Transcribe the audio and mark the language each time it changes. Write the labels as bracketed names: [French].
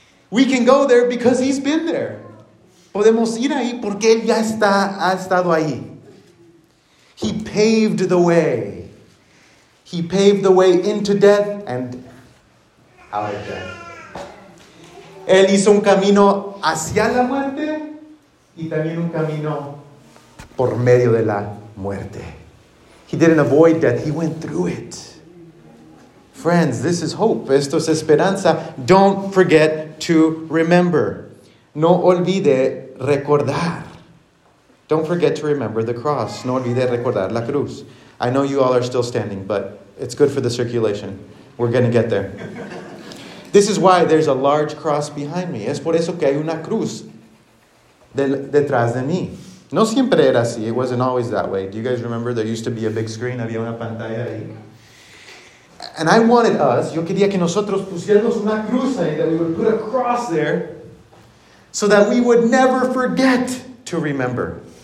[English] We can go there because he's been there. [Spanish] Podemos ir ahí porque él ya está, ha estado ahí. [English] He paved the way. He paved the way into death and our death. [Spanish] Él hizo un camino hacia la muerte y también un camino por medio de la muerte. [English] He didn't avoid death. He went through it. Friends, this is hope. [Spanish] Esto es esperanza. [English] Don't forget to remember. [Spanish] No olvide recordar. [English] Don't forget to remember the cross. [Spanish] No olvide recordar la cruz. [English] I know you all are still standing, but it's good for the circulation. We're going to get there. This is why there's a large cross behind me. [Spanish] Es por eso que hay una cruz detrás de mí. No siempre era así. [English] It wasn't always that way. Do you guys remember there used to be a big screen? [Spanish] Había una pantalla ahí. [English] And I wanted us, [Spanish] yo quería que nosotros pusiéramos una cruz ahí, [English] that we would put a cross there, so that we would never forget to remember.